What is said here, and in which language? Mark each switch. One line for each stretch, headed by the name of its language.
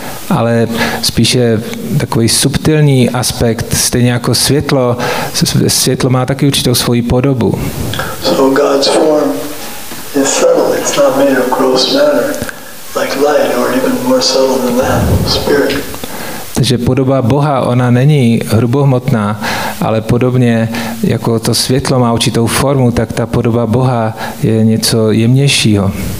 Czech: Ale spíše takový subtilní aspekt, stejně jako světlo, světlo má taky určitou svoji podobu.
English: So God's form is subtle, it's not made of gross matter, like light, or even more subtle than that, spirit.
Czech: Takže podoba Boha, ona není hrubohmotná, ale podobně jako to světlo má určitou formu, tak ta podoba Boha je něco jemnějšího.